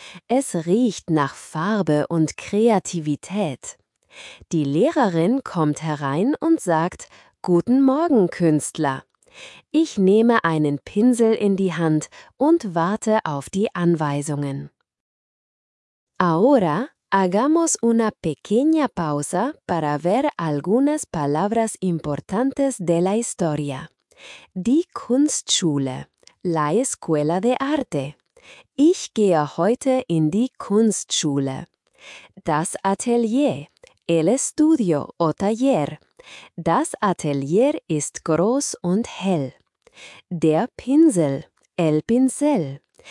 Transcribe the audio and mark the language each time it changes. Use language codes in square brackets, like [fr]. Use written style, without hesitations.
[de] Es riecht nach Farbe und Kreativität. Die Lehrerin kommt herein und sagt: "Guten Morgen, Künstler." Ich nehme einen Pinsel in die Hand und warte auf die Anweisungen. [es] Ahora hagamos una pequeña pausa para ver algunas palabras importantes de la historia. [de] Die Kunstschule, [es] la escuela de arte. [de] Ich gehe heute in die Kunstschule. Das Atelier, [es] el estudio o taller. [de] Das Atelier ist groß und hell. Der Pinsel, [es] el pincel.